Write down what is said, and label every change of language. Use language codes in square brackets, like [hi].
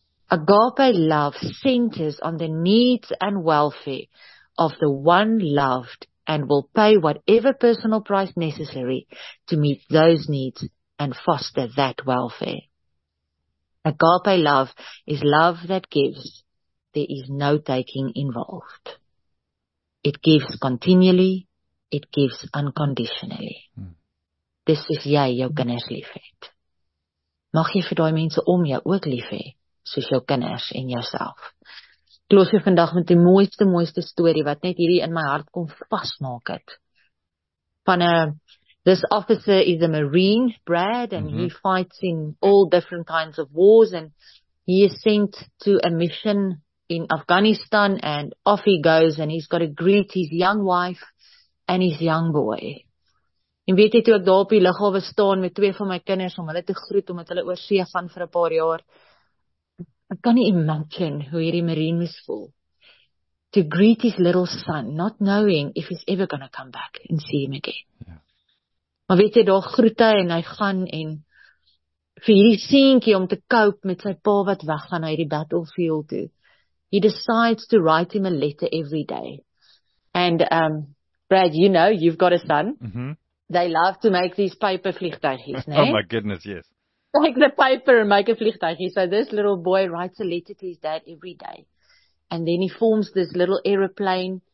[en] Agape love centers on the needs and welfare of the one loved and will pay whatever personal price necessary to meet those needs and foster that welfare. Agape love is love that gives. There is no taking involved. It gives continually. It gives unconditionally. [af] Dis is jy jou kinders lief het. Mag jy vir daai mense om jou ook lief hê, soos jou kinders en jouself. Klos jy vandag met die mooiste story, wat net hierdie in my hart kom vasmaak het. [en] Van een This officer is a Marine, Brad, and he fights in all different kinds of wars, and he is sent to a mission in Afghanistan, and off he goes, and he's got to greet his young wife and his young boy. [af] En weet jy, toe ek daar op die lughawe staan met twee van my kinders om hulle te groet, omdat hulle oor see gaan vir 'n paar jaar, ek kan nie imagine hoe hierdie Marine moes voel. [en] To greet his little son, not knowing if he's ever going to come back and see him again. [af] Maar weet jy, daar groet hy en hy gaan en vir hierdie seentjie om te cope met sy pa wat weggaan uit die battlefield toe. [en] He decides to write him a letter every day. And Brad, you know, you've got a son. They love to make these paper vliegtuigies, né? Oh my goodness, yes. Like the paper and make a vliegtuigie. So this little boy writes a letter to his dad every day. And then he forms this little aeroplane.